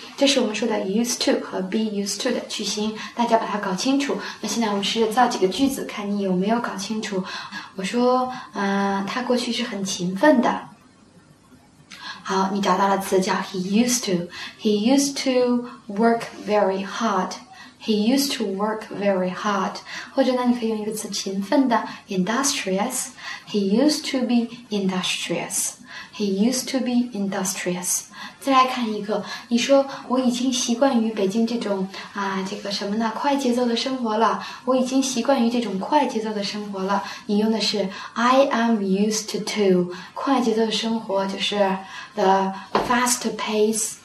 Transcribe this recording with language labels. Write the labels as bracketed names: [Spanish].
[English] is what we call used to and be used [Chinese] to 的句型大家把它搞清楚那现在我们试着造几个句子看你有没有搞清楚我说、他过去是很勤奋的好你找到了词叫 [English] He used to work very hard He used to work very hard. [Chinese] 或者呢，你可以用一个词勤奋的 industrious. [English] He used to be industrious. He used to be industrious. [Chinese] 再来看一个，你说我已经习惯于北京这种啊这个什么呢快节奏的生活了。我已经习惯于这种快节奏的生活了。你用的是 [English] I am used to [Chinese] 快节奏的生活，就是 [English] the fast pace.